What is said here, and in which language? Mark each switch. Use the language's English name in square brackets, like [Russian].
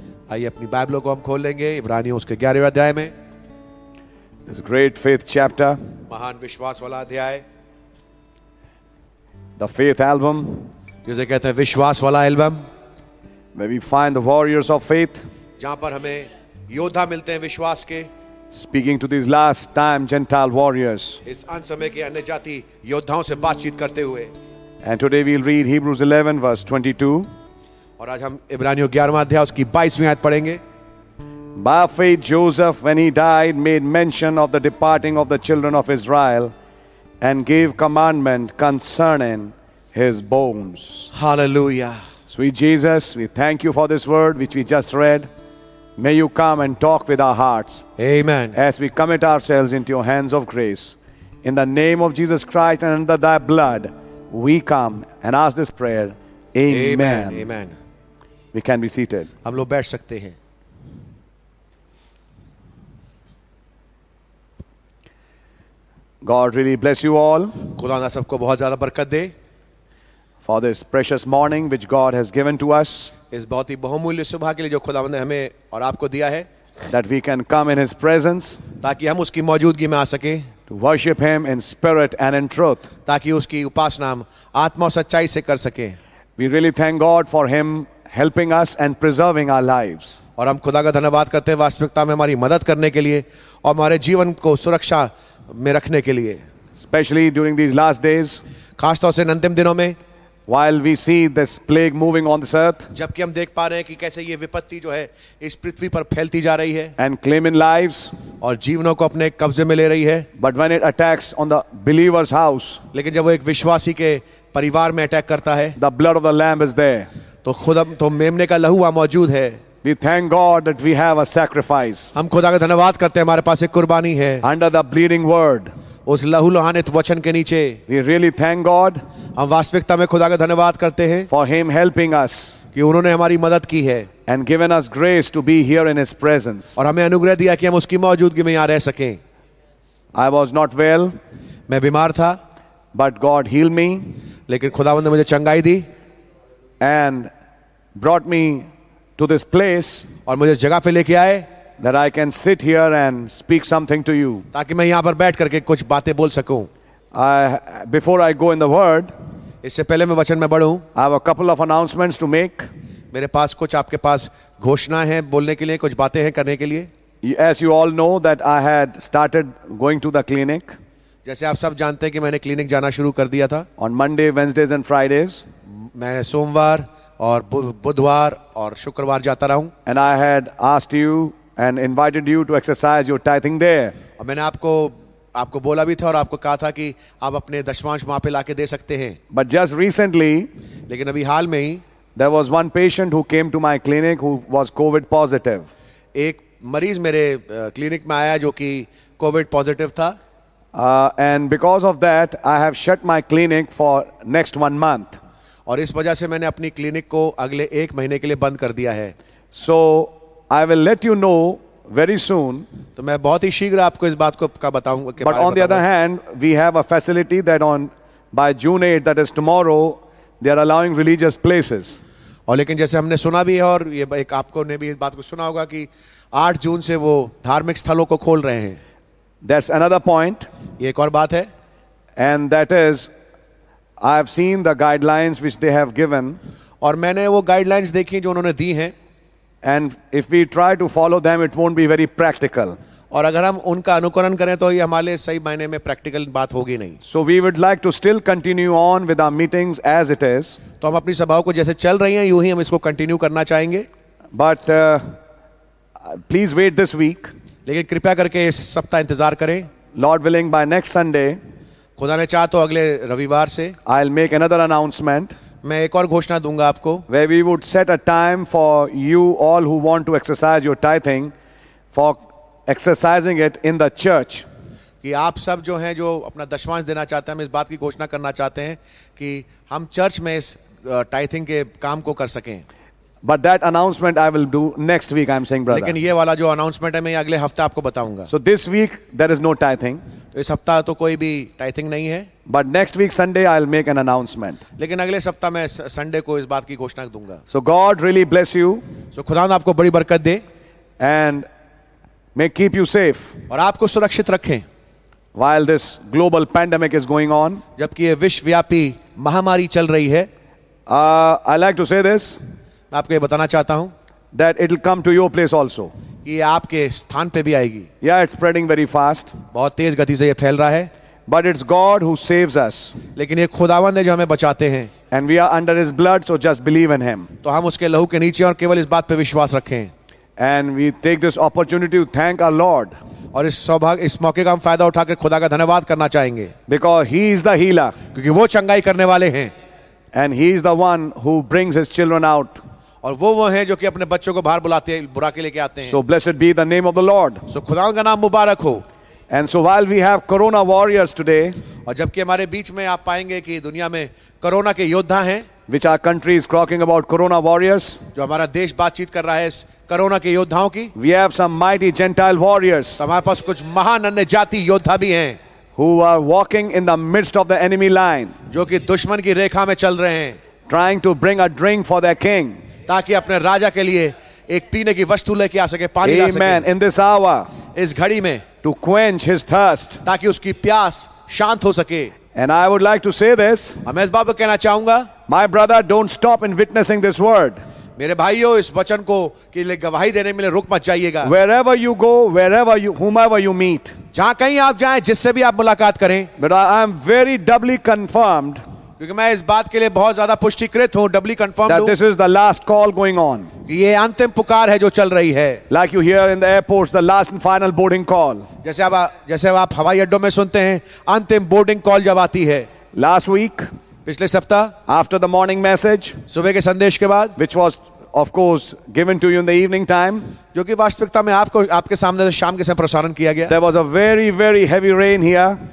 [Hindi] आइए अपनी बाइबलों को हम खोल लेंगे इब्रानियों उसके 11वें अध्याय में. [English] This great faith chapter. [Hindi] महान विश्वास वाला अध्याय. [English] The faith album. [Hindi] जिसे कहते हैं विश्वास वाला album. [English] Where we find the warriors of faith. [Hindi] जहाँ पर हमें योद्धा मिलते हैं विश्वास के. [English] Speaking to these last time Gentile warriors. [Hindi] इस अंत समय के अन्य जाति योद्धाओं से बातचीत करते हुए. [English] And today we'll read Hebrews 11 verse 22. [Hindi] और आज हम इब्रानियों 11वां अध्याय उसकी 22वीं आयत पढ़ेंगे. [English] By faith Joseph, when he died, made mention of the departing of the children of Israel and gave commandment concerning his bones. Hallelujah. Sweet Jesus, we thank you for this word which we just read. May you come and talk with our hearts. Amen. As we commit ourselves into your hands of grace. In the name of Jesus Christ and under thy blood, we come and ask this prayer. Amen. Amen. We can be seated. [Hindi] हम लोग बैठ सकते हैं. [English] God really bless you all. [Hindi] खुदा ना सबको बहुत ज्यादा बरकत दे. [English] for this precious morning which God has given to us. [Hindi] इस बहुत ही बहुमूल्य सुबह के लिए जो खुदावंद ने हमें और आपको दिया है. [English] That we can come in His presence. [Hindi] ताकि हम उसकी मौजूदगी में आ सके. [English] To worship Him in spirit and in truth. [Hindi] ताकि उसकी उपासना हम आत्मा और सच्चाई से कर सके. [English] We really thank God for Him helping us and preserving our lives. [Hindi] और हम खुदा का धन्यवाद करते हैं वास्तविकता में हमारी मदद करने के लिए और हमारे जीवन को सुरक्षा में रखने के लिए. [English] Especially during these last days. [Hindi] खासतौर से अंतिम दिनों में. [English] While we see this plague moving on this earth, [Hindi] जबकि हम देख पा रहे हैं कि कैसे ये विपत्ति जो है इस पृथ्वी पर फैलती जा रही है, [English] and claiming lives, [Hindi] और जीवनों को अपने कब्जे में ले रही है, [English] but when it attacks on the believer's house, [Hindi] लेकिन जब वो एक विश्वासी के परिवार में अटैक करता है, [English] the blood of the lamb is there, [Hindi] तो खुदा तो मेमने का लहू वहाँ मौजूद है. [English] We thank God that we have a sacrifice. [Hindi] हम खुदा का धन्यवाद करते हैं हमारे पास एक कुर्बानी है. [English] Under the bleeding word. [Hindi] उस लहू लुहानित वचन के नीचे. [English] We really thank God. [Hindi] हम वास्तविकता में खुदा का धन्यवाद करते हैं. [English] For Him helping us. [Hindi] कि उन्होंने हमारी मदद की है. [English] And given us grace to be here in His presence. [Hindi] और हमें अनुग्रह दिया कि हम उसकी मौजूदगी में यहाँ रह सकें. [English] I was not well. [Hindi] मैं बीमार था. [English] But God healed me. [Hindi] लेकिन खुदावंद ने मुझे चंगाई दी. [English] And brought me to this place. [Hindi] और मुझे जगह पे लेके आए. [English] That I can sit here and speak something to you. [Hindi] ताकि मैं यहाँ पर बैठ करके कुछ बातें बोल सकूँ. [English] Before I go in the word, [Hindi] इससे पहले मैं वचन में बढ़ूँ. [English] I have a couple of announcements to make. [Hindi] मेरे पास कुछ आपके पास घोषणा है बोलने के लिए, कुछ बातें हैं करने के लिए. [English] As you all know that I had started going to the clinic. [Hindi] जैसे आप सब जानते हैं कि मैंने क्लिनिक जाना शुरू कर दिया था. [English] On Monday, Wednesdays and Fridays. [Hindi] मैं सोमवार और बुधवार और शुक्रवार जाता रहा हूँ. [English] And I had asked you. And invited you to exercise your tithing there. [Hindi] और मैंने आपको आपको बोला भी था और आपको कहा था कि आप अपने दशमांश वहाँ पे लाके दे सकते हैं. [English] But just recently, [Hindi] लेकिन अभी हाल में ही, [English] there was one patient who came to my clinic who was COVID positive. [Hindi] एक मरीज मेरे क्लिनिक में आया जो कि COVID positive था. [English] And because of that, I have shut my clinic for next 1 month. [Hindi] और इस वजह से मैंने अपनी क्लिनिक को अगले एक महीने के लिए बंद कर दिया है. [English] So I will let you know very soon. [Hindi] तो मैं बहुत ही शीघ्र आपको इस बात को का बताऊंगा कि. [English] But on the other hand, we have a facility that on by June 8, that is tomorrow, they are allowing religious places. [Hindi] और लेकिन जैसे हमने सुना भी है और ये एक आपको ने भी इस बात को सुना होगा कि 8 जून से वो धार्मिक स्थलों को खोल रहे हैं. [English] That's another point. [Hindi] ये एक और बात है. [English] And that is, I have seen the guidelines which they have given. [Hindi] और मैंने वो guidelines देखी जो उन्होंने दी हैं. [English] And if we try to follow them, it won't be very practical. [Hindi] और अगर हम उनका अनुकरण करें तो ये हमारे सही मायने में practical बात होगी नहीं. [English] So we would like to still continue on with our meetings as it is. [Hindi] तो हम अपनी सभाओं को जैसे चल रही हैं यूं ही हम इसको continue करना चाहेंगे. [English] But please wait this week. [Hindi] लेकिन कृपया करके इस सप्ताह इंतजार करें. [English] Lord willing, by next Sunday. [Hindi] खुदा ने चाह तो अगले रविवार से. [English] I'll make another announcement. [Hindi] मैं एक और घोषणा दूंगा आपको. [English] Where we would set a time for you all who want to exercise your tithing, for exercising it in the church. [Hindi] कि आप सब जो हैं जो अपना दशमांश देना चाहते हैं, हम इस बात की घोषणा करना चाहते हैं कि हम चर्च में इस tithing के काम को कर सकें. [English] But that announcement I will do next week, I'm saying, brother. [Hindi] लेकिन ये वाला जो announcement है मैं अगले हफ्ते आपको बताऊंगा. [English] So this week there is no tithing. [Hindi] इस हफ्ता तो कोई भी tithing नहीं है. [English] But next week Sunday I'll make an announcement. [Hindi] लेकिन अगले सप्ताह मैं संडे को इस बात की घोषणा दूंगा. [English] So God really bless you. [Hindi] So खुदा ने आपको बड़ी बरकत दे. [English] And may keep you safe. [Hindi] और आपको सुरक्षित रखें. [English] While this global pandemic is going on. [Hindi] जबकि ये विश्वव्यापी महामारी चल रही है. [English] I like to say this. [Hindi] मैं आपको ये बताना चाहता हूँ. [English] That it'll come to your place also. [Hindi] ये आपके स्थान पे भी आएगी. [English] Yeah, it's spreading very fast. [Hindi] बहुत तेज गति से ये फैल रहा है. [English] But it's God who saves us. [Hindi] लेकिन ये खुदावंद है जो हमें बचाते हैं. [English] And we are under His blood, so just believe in Him. [Hindi] तो हम उसके लहू के नीचे और केवल इस बात पे विश्वास रखें. [English] And we take this opportunity to thank our Lord. [Hindi] और इस सौभाग्य इस मौके का हम फायदा उठाकर खुदा का धन्यवाद करना चाहेंगे. [English] Because He is the healer. [Hindi] क्योंकि वो चंगाई करने वाले हैं. [English] And He is the one who brings His children out. [Hindi] और वो हैं जो कि अपने बच्चों को बाहर बुलाते हैं, बुरा के लेके आते हैं. [English] So blessed be the name of the Lord. [Hindi] So खुदा का नाम मुबारक हो. [English] And so while we have corona warriors today, [Hindi] और जबकि हमारे बीच में आप पाएंगे कि दुनिया में कोरोना के योद्धा हैं, [English] which our country is talking about corona warriors, [Hindi] जो हमारा देश बातचीत कर रहा है इस कोरोना के योद्धाओं की, [English] we have some mighty Gentile warriors, [Hindi] हमारे पास कुछ महान अन्य जाति योद्धा भी हैं, [English] who are walking in the midst of the enemy line, [Hindi] जो कि दुश्मन की रेखा में चल रहे हैं, [English] trying to bring a drink for their king, [Hindi] ताकि अपने राजा के लिए एक पीने की वस्तु लेके आ सके, पानी ला सके. [English] Amen. In this hour, [Hindi] इस घड़ी में, [English] to quench his thirst, [Hindi] ताकि उसकी प्यास शांत हो सके. [English] And I would like to say this, [Hindi] मैं इस बात को कहना चाहूँगा, [English] my brother, don't stop in witnessing this word. [Hindi] मेरे भाइयों, इस वचन को के लिए गवाही देने में रुक मत जाइएगा. [English] Wherever you go, wherever you, whomever you meet, [Hindi] जहां कहीं आप जाएं, जिससे भी आप मुलाकात करें, [English] but I am very doubly confirmed, [Hindi] क्योंकि मैं इस बात के लिए बहुत ज्यादा पुष्टिकृत हूं, [English] doubly confirmed, that this is the last call going on. [Hindi] ये अंतिम पुकार है जो चल रही है. [English] Like you hear in the airports, the last and final boarding call. [Hindi] जैसे आप हवाई अड्डों में सुनते हैं, अंतिम बोर्डिंग कॉल जब आती है. [English] last week, [Hindi] पिछले सप्ताह, [English] after the morning message, [Hindi] सुबह के संदेश के बाद, [English] which was of course given to you in the evening time, [Hindi] जो कि वास्तविकता में आपको आपके सामने शाम के समय प्रसारण किया गया, [English] there was a very very heavy rain here,